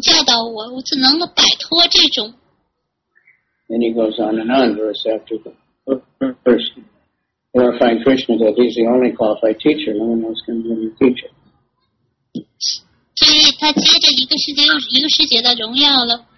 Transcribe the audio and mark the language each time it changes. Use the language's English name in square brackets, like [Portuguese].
[Chinese] 他说的话就是一样的，就是请教导我，我怎能够摆脱这种。 [English] Then he goes on and on, verse after verse. Glorifying Krishna that he's the only qualified teacher. No one else can be a teacher. [Chinese] 所以他接着一个世界又一个世界的荣耀了。